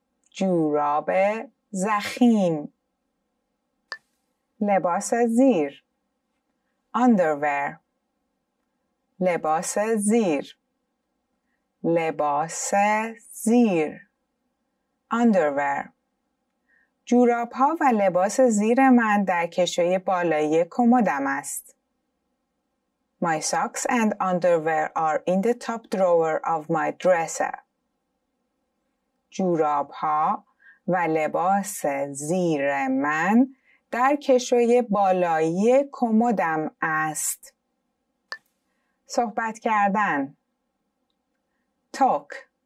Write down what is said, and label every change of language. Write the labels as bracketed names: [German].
[Persian] جوراب زخیم. لباس زیر, underwear. لباس زیر, لباس زیر, underwear. جوراب ها و لباس زیر من در کشوی بالایی کمدم است. [English] My socks and underwear are in the top drawer of my dresser. [Persian] جوراب ها و لباس زیر من در کشوی بالایی کمدم است. صحبت کردن, talk.